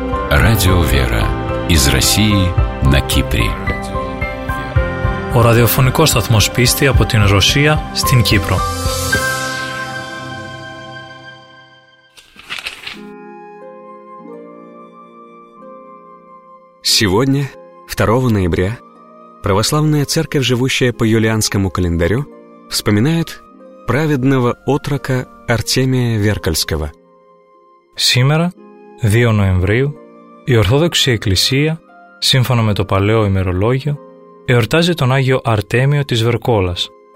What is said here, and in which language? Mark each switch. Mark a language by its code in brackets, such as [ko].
[ru] Радио «Вера» из России на Кипре. [el] Ο ραδιοφωνικός σταθμός πίστη από την Ρωσία στην Κύπρο. [ru] Сегодня, 2 ноября, православная церковь, живущая по юлианскому календарю, вспоминает праведного отрока Артемия Веркальского. Сегодня, 2 ноября, [el] η Ορθόδοξη Εκκλησία, σύμφωνα με το παλαιό ημερολόγιο, εορτάζει τον Άγιο Αρτέμιο της Βερκόλας.